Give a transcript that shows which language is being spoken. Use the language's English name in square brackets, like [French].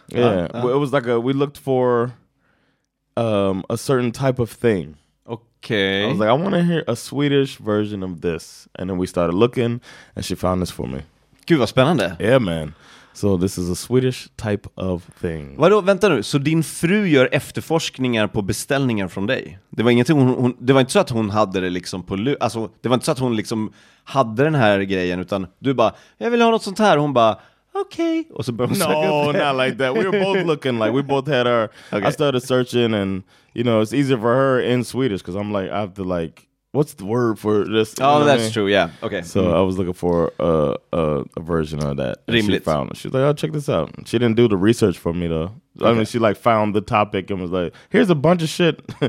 [English] Yeah, it was like we looked for a certain type of thing. Okay. I was like, I want to hear a Swedish version of this. And then we started looking, and she found this for me. [Swedish] Gud, vad spännande. [English] Yeah, man. So this is a Swedish type of thing. [Swedish] Vadå, vänta nu. Så din fru gör efterforskningar på beställningar från dig? Det var ingenting, det var inte så att hon hade det liksom på... Alltså, det var inte så att hon liksom hade den här grejen, utan du bara, jag vill ha något sånt här. Och hon bara... [English] Okay. [Swedish] Och så började hon söka upp det. [English] Not like that. We were both looking like we both had our. Okay. I started searching, and you know, it's easier for her in Swedish because I'm like, I have to like, what's the word for this? Oh, that's true. Yeah. Okay. So I was looking for a version of that. [Swedish] Rimligt. [English] She found it. She's like, oh, check this out. She didn't do the research for me though. Okay. I mean, she like found the topic and was like, here's a bunch of shit.